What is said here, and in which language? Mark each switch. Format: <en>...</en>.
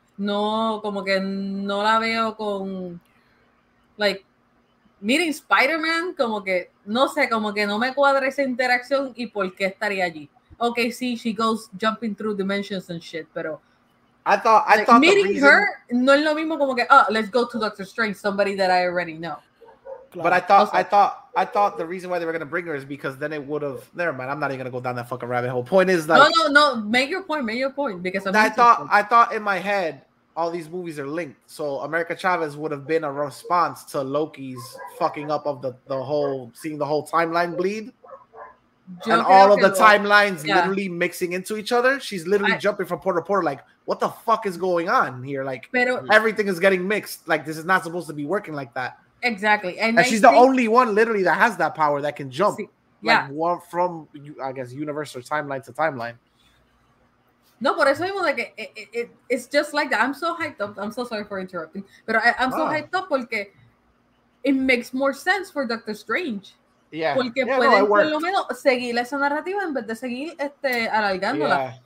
<es>No, como que no la veo con, like, meeting Spider-Man, como que, no sé, como que no me cuadra esa interacción y por qué estaría allí.</es> <en>Okay, sí, she goes jumping through dimensions and shit,</en> <es>pero...</es> <en>I thought meeting her</en> <es>no es lo mismo como que</es> <en>let's go to Doctor Strange, somebody that I already know. But I thought the reason why they were gonna bring her is because then it would have, never mind, I'm not even gonna go down that fucking rabbit hole. Point is that No, make your point because I thought in my head all these movies are linked. So America Chavez would have been a response to Loki's fucking up of the whole seeing the whole timeline bleed. Timelines literally mixing into each other. She's literally jumping from portal to portal. Like, what the fuck is going on here? Like, everything is getting mixed. Like, this is not supposed to be working like that. Exactly. And she's the only one literally that has that power that can jump. One from, I guess, universe or timeline to timeline.</en> <es>No, por eso mismo,</es> <en>like, it's just like that. I'm so hyped up. I'm so sorry for interrupting. But I'm so hyped up</en> <es>porque</es> <en>it makes more sense for Doctor Strange. Yeah.</en> <es>Porque</es> <en>yeah,</en> <es>pueden por lo menos seguir esa narrativa en vez de seguir alargándola.</es>